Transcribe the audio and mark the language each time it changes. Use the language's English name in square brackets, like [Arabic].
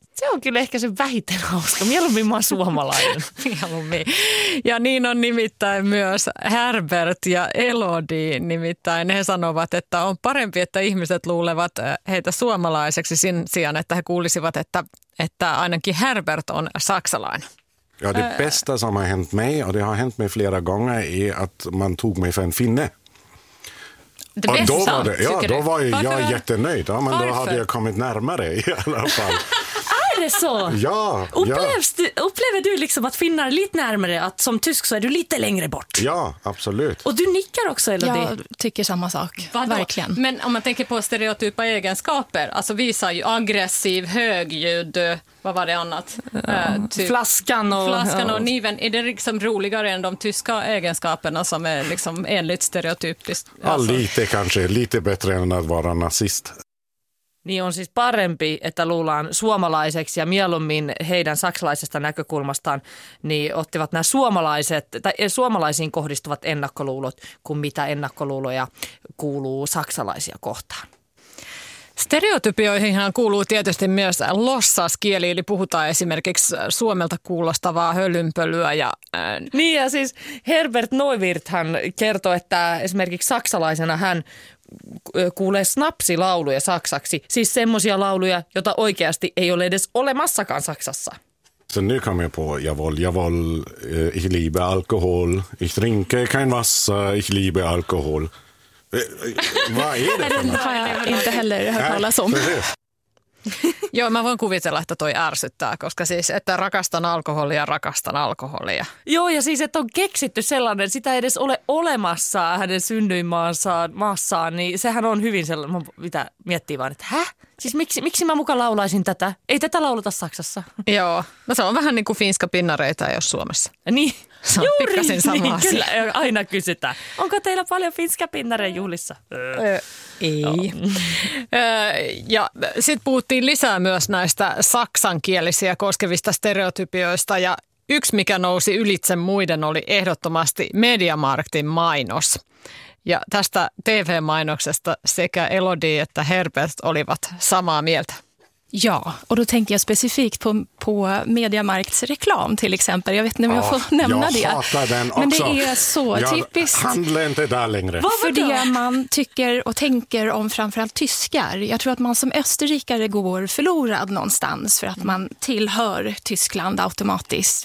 [Finnish] Se on kyllä ehkä se vähiten hauska. Mieluummin mä oon suomalainen. Mieluummin. Ja niin on nimittäin myös Herbert ja Elodie. Nimittäin he sanovat, että on parempi, että ihmiset luulevat heitä suomalaiseksi sen sijaan, että he kuulisivat, että ainakin Herbert on saksalainen. [Swedish] Ja det bästa som har hänt mig, och det har hänt mig flera gånger, är att man tog mig för en finne. Det bästa, då var det, ja, då var jag, jag jättenöjd. Ja, men varför? Då hade jag kommit närmare i alla fall. Är det så? Ja. Upplever du liksom att finnar lite närmare, att som tysk så är du lite längre bort? Ja, absolut. Och du nickar också, eller? Jag tycker samma sak. Vadå? Verkligen. Men om man tänker på stereotypa egenskaper, alltså visar ju aggressiv, högljudd. Vad var det annat? Flaskan och niven. Är det liksom roligare än de tyska egenskaperna som är liksom enligt stereotypiskt? Ja, alltså. Lite kanske. Lite bättre än att vara nazist. [Finnish] Niin on siis parempi, että luullaan suomalaiseksi ja mieluummin heidän saksalaisesta näkökulmastaan niin ottivat nämä suomalaiset, tai suomalaisiin kohdistuvat ennakkoluulot kuin mitä ennakkoluuloja kuuluu saksalaisia kohtaan. Stereotypioihinhan kuuluu tietysti myös lossaskieli, eli puhutaan esimerkiksi suomelta kuulostavaa hölynpölyä. Ja niin, ja siis Herbert Neuwirth hän kertoi, että esimerkiksi saksalaisena hän kuulee snapsilauluja saksaksi, siis semmoisia lauluja, joita oikeasti ei ole edes olemassakaan Saksassa. Så nu kommer jag på, jag vill, [German] ich liebe alkohol, ich trinke kein Wasser, ich liebe alkohol. [Finnish] Vad är det för något? Har jag inte heller hört talas om. Joo, mä voin kuvitella, että toi ärsyttää, koska siis, että rakastan alkoholia. Joo, ja siis, että on keksitty sellainen, sitä ei edes ole olemassa hänen synnyinmaassaan, niin sehän on hyvin sellainen, mitä miettii vaan, että häh? Siis miksi mä mukaan laulaisin tätä? Ei tätä lauluta Saksassa. Joo, no se on vähän niin kuin finska pinnareita, jos Suomessa. Niin, se on juuri pikkasen sama niin, asia. Kyllä, aina kysytään. Onko teillä paljon finska pinnareja juhlissa? Ei. No. Ja sitten puhuttiin lisää myös näistä saksankielisiä koskevista stereotypioista. Ja yksi, mikä nousi ylitse muiden, oli ehdottomasti Mediamarktin mainos. Ja tästä TV-mainoksesta sekä Elodie että Herbert olivat samaa mieltä. [Swedish] Ja, och då tänker jag specifikt på Mediamarkts reklam till exempel. Jag vet inte om jag får nämna det. Jag hatar den också. Men det är så typiskt. Jag handlar inte där längre. För det man tycker och tänker om framförallt tyskar. Jag tror att man som österrikare går förlorad någonstans för att man tillhör Tyskland automatiskt.